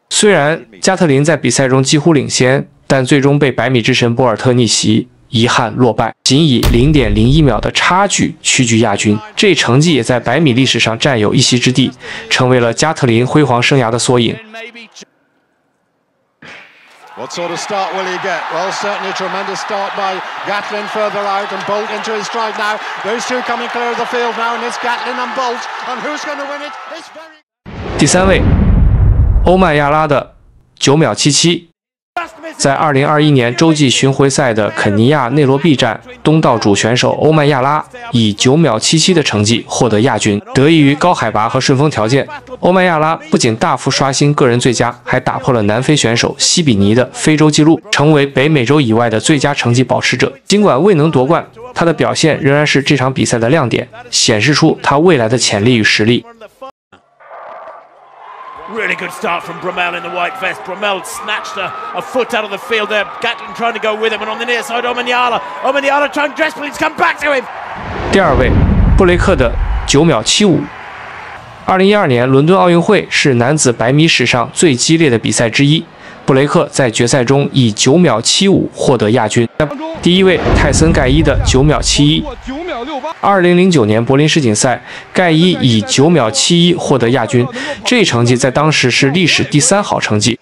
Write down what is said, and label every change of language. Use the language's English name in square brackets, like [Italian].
[Chinese] 虽然加特林在比赛中几乎领先，但最终被百米之神博尔特逆袭，遗憾落败，仅以 0.01 秒的差距屈居亚军。这成绩也在百米历史上占有一席之地，成为了加特林辉煌生涯的缩影。 [English] What sort of start will he get? Well, certainly a tremendous start by Gatlin further out and Bolt into his stride now. Those two coming clear of the field now, and it's Gatlin and Bolt. And who's going to win it? It's very. [Chinese] 第三位，欧曼亚拉的9秒77。在2021年洲际巡回赛的肯尼亚内罗毕站，东道主选手欧曼亚拉以9秒77的成绩获得亚军。得益于高海拔和顺风条件，欧曼亚拉不仅大幅刷新个人最佳，还打破了南非选手西比尼的非洲纪录，成为北美洲以外的最佳成绩保持者。尽管未能夺冠，他的表现仍然是这场比赛的亮点，显示出他未来的潜力与实力。 [English] Really good start from Bramell in the white vest. Bramell snatched a foot out of the field there. Gatlin trying to go with him, and on the near side, Omaniala. Omaniala trying desperately to come back to him. [Chinese] 第二位，布雷克的9秒75。 2012年伦敦奥运会是男子百米史上最激烈的比赛之一。布雷克在决赛中以9秒75获得亚军。第一位，泰森盖伊的9秒71。2009年柏林世锦赛，盖伊以9秒71获得亚军，这成绩在当时是历史第三好成绩。